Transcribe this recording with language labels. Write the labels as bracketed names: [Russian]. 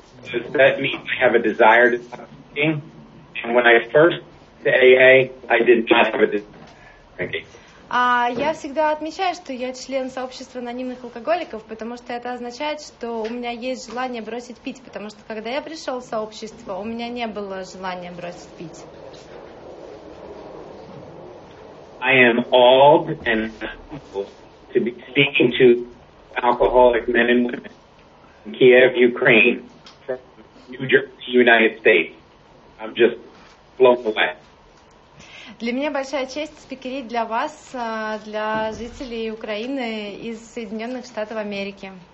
[English] Does that mean I have a desire to stop drinking? And when I first went to AA, I did not have a desire to stop drinking. [Russian] Я всегда отмечаю, что я член сообщества анонимных алкоголиков, потому что это означает, что у меня есть желание бросить пить, потому что когда я пришел в сообщество, у меня не было желания бросить пить. [English] I am awed and humbled to be speaking to alcoholic men and women in Kiev, Ukraine, New Jersey, United States. I'm just blown away. [Russian] Для меня большая честь спикерить для вас, для жителей Украины из Соединенных Штатов Америки.